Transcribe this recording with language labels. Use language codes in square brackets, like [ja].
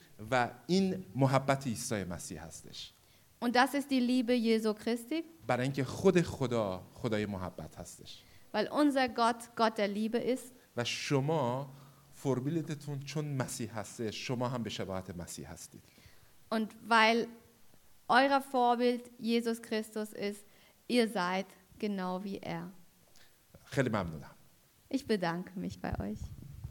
[fa] و این محبت عیسی مسیح هستش. [de] Und das ist die Liebe Jesu Christi. [fa] برای اینکه خود خدا خدای محبت هستش. [de] Weil unser Gott Gott der Liebe ist. [fa] و شما فرمیلتون چون مسیح هسته، شما هم به شباهت مسیح هستید. [de] Und weil euer Vorbild Jesus Christus ist, ihr seid genau wie er. [fa] خیلی ممنونم. [de] Ich bedanke mich bei euch.